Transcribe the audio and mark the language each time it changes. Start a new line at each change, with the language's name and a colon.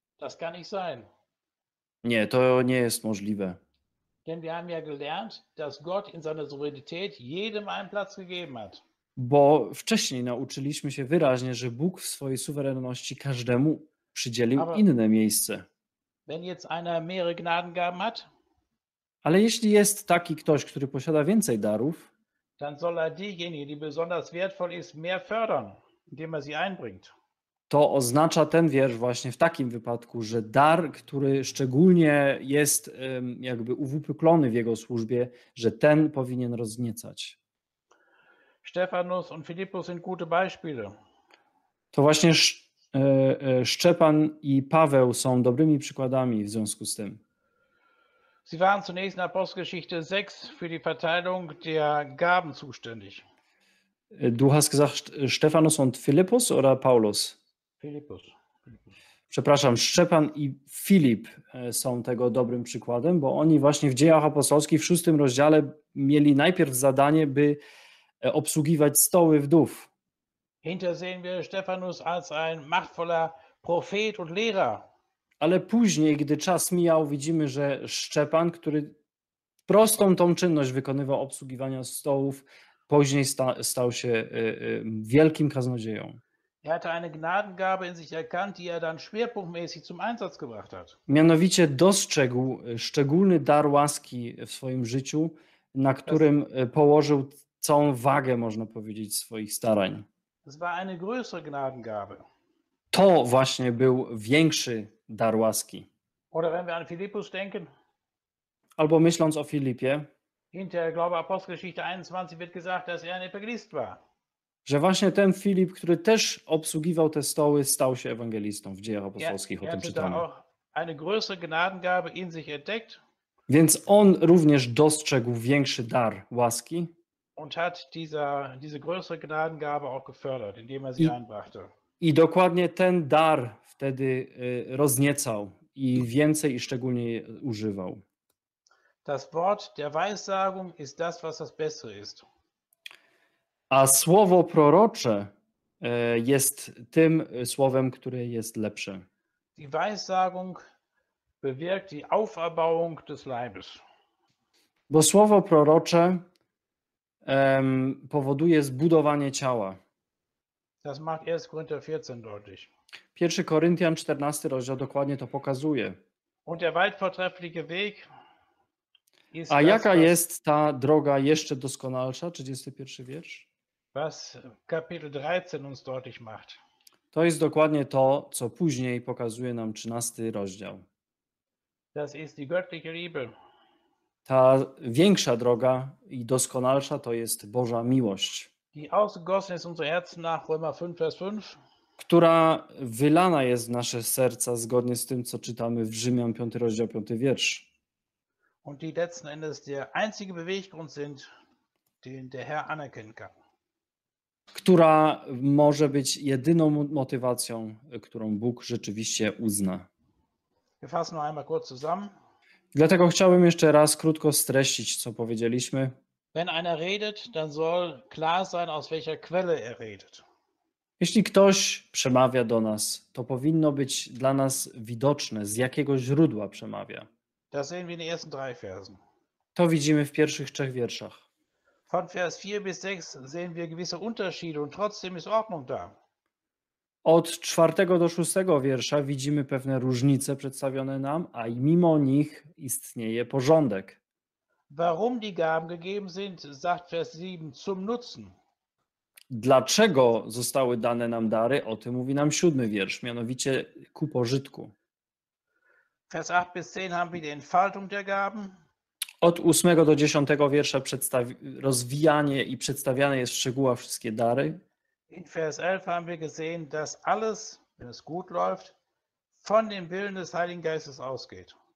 German: Das kann nicht sein.
Polish: Nie, to nie jest możliwe.
German: Denn wir haben ja gelernt, dass Gott in seiner Souveränität jedem einen Platz gegeben hat.
Polish: Bo wcześniej nauczyliśmy się wyraźnie, że Bóg w swojej suwerenności każdemu przydzielił
German: aber
Polish: inne miejsce.
German: Wenn jetzt einer mehrere Gnadengaben hat,
Polish: ale jeśli jest taki ktoś, który posiada więcej darów,
German: dann soll er diejenige, die besonders wertvoll ist, mehr fördern, indem er sie einbringt.
Polish: To oznacza ten wiersz właśnie w takim wypadku, że dar, który szczególnie jest jakby uwypuklony w jego służbie, że ten powinien rozniecać.
German: Stefanus und Philippus sind gute Beispiele.
Polish: To właśnie Szczepan i Paweł są dobrymi przykładami w związku z tym.
German: Sie waren zunächst in Apostelgeschichte 6 für die Verteilung der Gaben zuständig. Du hast gesagt Stephanus und Philippus oder Paulus? Philippus.
Polish: Przepraszam, Szczepan i Filip są tego dobrym przykładem, bo oni właśnie w Dziejach Apostolskich w 6 rozdziale mieli najpierw zadanie, by obsługiwać stoły wdów.
German: Hinter sehen wir Stephanus als ein machtvoller Prophet und Lehrer.
Polish: Ale później, gdy czas mijał, widzimy, że Szczepan, który prostą tą czynność wykonywał obsługiwania stołów, później stał się wielkim kaznodzieją.
German: Er hatte eine Gnadengabe in sich erkannt, die er dann schwerpunktmäßig zum Einsatz gebracht hat.
Polish: Mianowicie dostrzegł szczególny dar łaski w swoim życiu, na którym położył całą wagę, można powiedzieć, swoich starań.
German: Es war eine größere Gnadengabe.
Polish: To właśnie był większy dar łaski.
German: Oder wenn wir an Philippus denken.
Polish: Albo myśląc o Filipie.
German: Hinter, glaube, Apostelgeschichte 21 wird gesagt, dass er ein Evangelist war.
Polish: Że właśnie ten Filip, który też obsługiwał te stoły, stał się ewangelistą w Dziejach Apostolskich, o tym czytamy.
German: Auch eine größere Gnadengabe in sich entdeckt.
Polish: Więc on również dostrzegł większy dar łaski.
German: Und hat diese größere Gnadengabe auch gefördert, indem er sie einbrachte.
Polish: I dokładnie ten dar wtedy rozniecał i więcej i szczególnie używał.
German: Das Wort der Weissagung ist das, was das Beste ist.
Polish: A słowo prorocze jest tym słowem, które jest lepsze.
German: Die Weissagung bewirkt die Auferbauung des Leibes.
Polish: Bo słowo prorocze powoduje zbudowanie ciała.
German: Das macht 1. Korinther 14 deutlich.
Polish: 1. Koryntian 14 rozdział dokładnie to pokazuje.
German: Und der weit vortreffliche Weg ist A das,
Polish: jaka jest ta droga jeszcze doskonalsza? 31. wiersz.
German: Was Kapitel 13 uns deutlich macht.
Polish: To jest dokładnie to, co później pokazuje nam 13. rozdział.
German: Das ist die göttliche Liebe.
Polish: Ta większa droga i doskonalsza to jest Boża miłość.
German: Die ausgegossen ist unser Herzen nach Römer 5, Vers 5.
Polish: Która wylana jest w nasze serca zgodnie z tym, co czytamy w Rzymian 5, rozdział 5, wiersz.
German: Und die letzten Endes der einzige Beweggrund sind, den der Herr anerkennen kann.
Polish: Która może być jedyną motywacją, którą Bóg rzeczywiście uzna.
German: Wir fassen noch einmal kurz zusammen.
Polish: Dlatego chciałbym jeszcze raz krótko streścić, co powiedzieliśmy.
German: Wenn einer redet, dann soll klar sein, aus welcher Quelle er redet.
Polish: Jeśli ktoś przemawia do nas, to powinno być dla nas widoczne, z jakiego źródła przemawia.
German: Das sehen wir in den ersten drei Versen.
Polish: To widzimy w pierwszych trzech wierszach.
German: Von Vers 4 bis 6 sehen wir gewisse Unterschiede und trotzdem ist Ordnung da.
Polish: Od 4 do 6 wiersza widzimy pewne różnice przedstawione nam, a i mimo nich istnieje porządek.
German: Warum die Gaben gegeben sind, sagt Vers 7, zum Nutzen.
Polish: Dlaczego zostały dane nam dary, o tym mówi nam 7 wiersz, mianowicie ku pożytku.
German: Vers 8 bis 10 haben wir die Entfaltung der Gaben.
Polish: Od 8 do 10 wiersza rozwijanie i przedstawiane jest w szczegółach wszystkie dary.
German: In Vers 11 haben wir gesehen, dass alles, wenn es gut läuft, von dem Willen des Heiligen Geistes ausgeht.